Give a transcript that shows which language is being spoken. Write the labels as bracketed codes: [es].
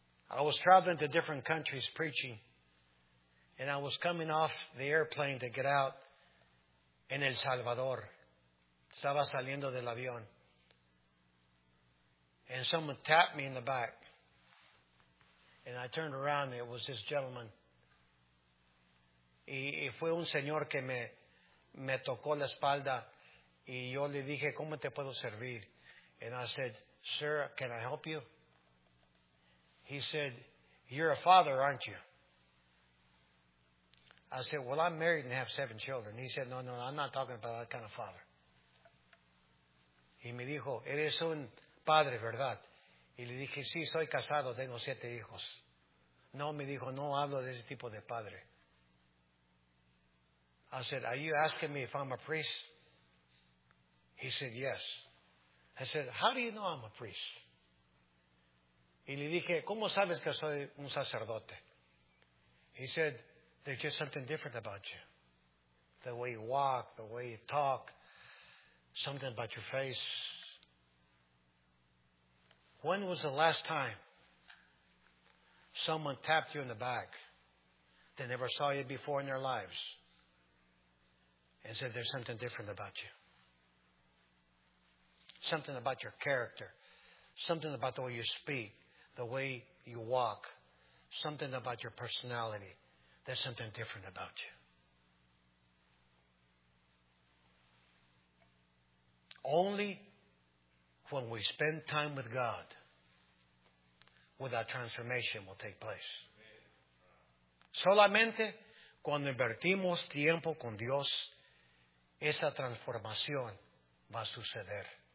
[en] I was traveling to different countries preaching, and I was coming off the airplane to get out in El Salvador. [es] Estaba saliendo del avión. [en] And someone tapped me in the back. And I turned around, and it was this gentleman. [es] Y fue un señor que me tocó la espalda. Y yo le dije, ¿cómo te puedo servir? [en] And I said, sir, can I help you? He said, you're a father, aren't you? I said, well, I'm married and have 7 children. He said, no, I'm not talking about that kind of father. [es] Y me dijo, eres un padre, ¿verdad? Y le dije, sí, soy casado, tengo 7 hijos. No, me dijo, no hablo de ese tipo de padre. [en] I said, are you asking me if I'm a priest? He said, yes. I said, how do you know I'm a priest? [es] Y le dije, ¿cómo sabes que soy un sacerdote? [en] He said, there's just something different about you. The way you walk, the way you talk, something about your face. When was the last time someone tapped you in the back? They never saw you before in their lives and said there's something different about you. Something about your character. Something about the way you speak, the way you walk. Something about your personality. There's something different about you. Only when we spend time with God will that transformation will take place. [es] Solamente cuando invertimos tiempo con Dios, esa transformación va a suceder.